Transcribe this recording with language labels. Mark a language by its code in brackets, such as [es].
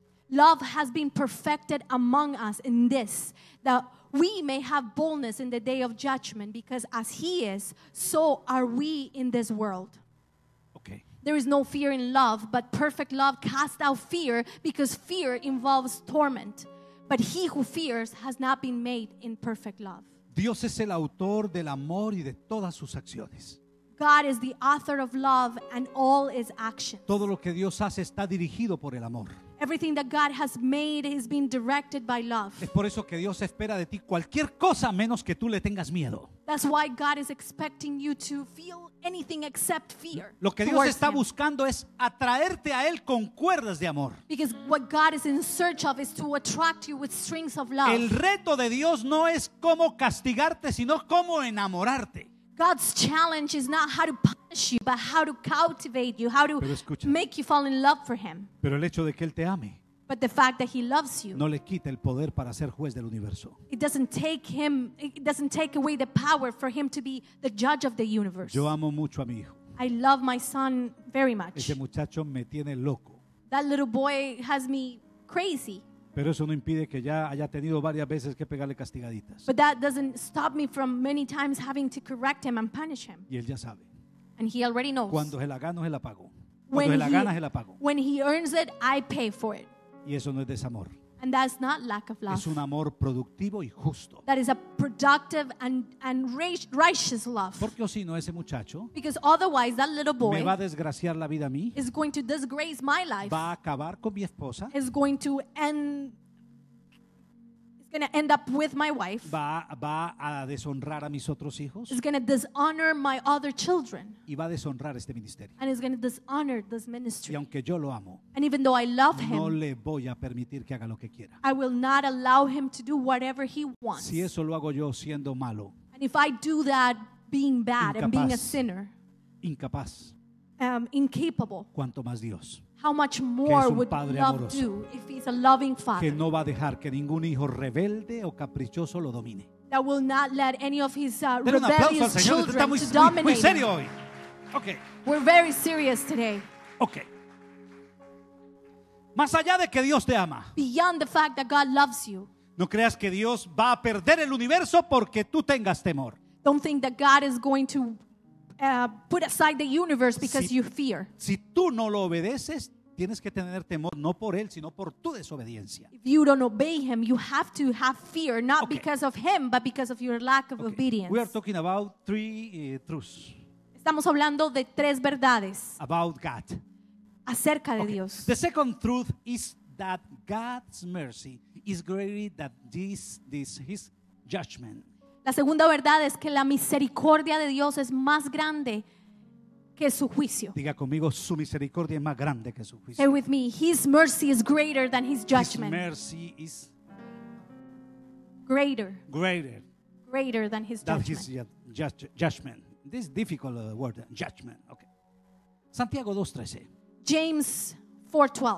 [en] Love has been perfected among us in this, that we may have boldness in the day of judgment, because as he is, so are we in this world. Okay. There is no fear in love, but perfect love casts out fear, because fear involves torment. But he who fears has not been made in perfect love. [es] Dios es el autor del amor y de todas sus acciones. [en] God is the author of love and all his actions. [es] Todo lo que Dios hace está dirigido por el amor. [en] Everything that God has made has been directed by love. [es] Es por eso que Dios espera de ti cualquier cosa menos que tú le tengas miedo. [en] That's why God is expecting you to feel anything except fear. [es] Lo que Dios está buscando es atraerte a él con cuerdas de amor. [en] Because what God is in search of is to attract you with strings of love. [es] El reto de Dios no es cómo castigarte, sino cómo enamorarte. [en] God's challenge is not how to punish you, but how to cultivate you, how to make you fall in love for him. [es] Pero el hecho de que él te ame, [en] but the fact that he loves you, [es] no le quita el poder para ser juez del universo. [en] It doesn't take away the power for him to be the judge of the universe. [es] Yo amo mucho a mi hijo. [en] I love my son very much. [es] Ese muchacho me tiene loco. [en] That little boy has me crazy. [es] Pero eso no impide que ya haya tenido varias veces que pegarle castigaditas. [en] But that doesn't stop me from many times having to correct him and punish him. [es] Y él ya sabe. [en] And he already knows. [es] Cuando se la gano, se la pago. Cuando se la gana, se la pago. [en] When he earns it, I pay for it. [es] Y eso no es desamor. [en] And that's not lack of love. [es] Es un amor productivo y justo. [en] That is a productive and righteous love. [es] Porque o si no, ese muchacho, [en] because otherwise that little boy, [es] me va a desgraciar la vida a mí, [en] is going to disgrace my life, [es] va a acabar con mi esposa, [en] is going to end up with my wife, [es] va a deshonrar a mis otros hijos, [en] is going to dishonor my other children, [es] y va a deshonrar este ministerio, [en] and is going to dishonor this ministry. [es] Y aunque yo lo amo, [en] and even though I love him, [es] no le voy a permitir que haga lo que quiera. [en] I will not allow him to do whatever he wants. [es] Si eso lo hago yo siendo malo, [en] and if I do that being bad, [es] incapaz, [en] and being a sinner, [es] incapaz, [en] incapable, [es] cuanto más Dios. [en] How much more would love [es] amoroso, [en] do if he's a loving father? [es] Que no va a dejar que ningún hijo rebelde o caprichoso lo domine. [en] That will not let any of his rebellious children [es] está muy, [en] to dominate. [es] Muy serio hoy. Okay. [en] We're very serious today. Okay. [es] Más allá de que Dios te ama. [en] Beyond the fact that God loves you. [es] No creas que Dios va a perder el universo porque tú tengas temor. [en] Don't think that God is going to put aside the universe because [es] si, [en] you fear. [es] Si tú no lo obedeces, tienes que tener temor no por él, sino por tu desobediencia. [en] If you don't obey him, you have to have fear not okay. because of him, but because of your lack of okay. obedience. We are talking about three truths. [es] Estamos hablando de tres verdades. [en] About God. [es] Acerca de [en] okay. [es] Dios. [en] The second truth is that God's mercy is greater than this his judgment. [es] La segunda verdad es que la misericordia de Dios es más grande que su juicio. Diga conmigo, su misericordia es más grande que su juicio. [en] Say with me, his mercy is greater than his judgment. His mercy is greater. Greater. Greater than his judgment. That is judgment. This is difficult word, judgment. Okay. Santiago 2:13. James 4:12.